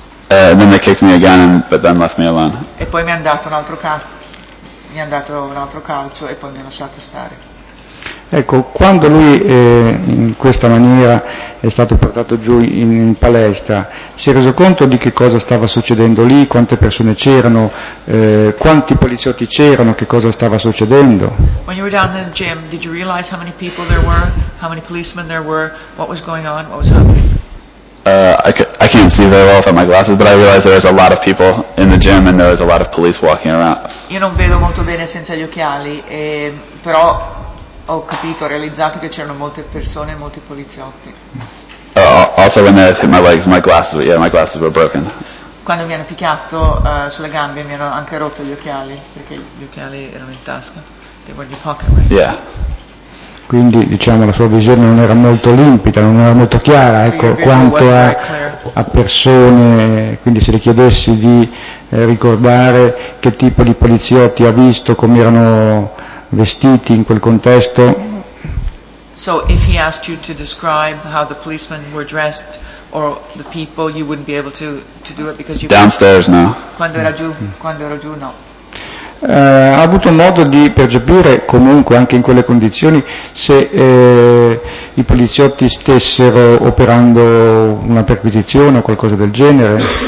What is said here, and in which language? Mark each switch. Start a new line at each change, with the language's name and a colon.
English: Then they kicked me again, but then left me alone.
Italian: E poi mi hanno dato un altro calcio. Mi hanno dato un altro calcio e poi mi hanno lasciato stare. Ecco, quando lui in questa maniera è stato portato giù in palestra, si è reso conto di che cosa stava succedendo lì, quante persone c'erano, quanti poliziotti c'erano, che cosa stava succedendo?
English: When you were down in the gym, did you realize how many people there were, how many policemen there were, what was going on, what was happening? I can't see very well without my glasses, but I realized there was a lot of people in the gym and there was a lot of police walking around.
Italian: Io non vedo molto bene senza gli occhiali, però ho capito, ho realizzato che c'erano molte persone e molti poliziotti.
English: Also when they hit my legs, my glasses were broken.
Italian: Quando mi hanno picchiato sulle gambe mi hanno anche rotto gli occhiali, perché gli occhiali erano in tasca.
English: They were in your pocket, right? Yeah.
Italian: Quindi diciamo la sua visione non era molto limpida, non era molto chiara, ecco, quanto a persone. Quindi se le chiedessi di ricordare che tipo di poliziotti ha visto, come erano vestiti in quel contesto.
English: So if he asked you to describe how the policemen were dressed or the people, you wouldn't be able to do it because you downstairs now.
Italian: Quando era giù no. Ha avuto modo di percepire comunque anche in quelle condizioni se i poliziotti stessero operando una perquisizione o qualcosa del genere?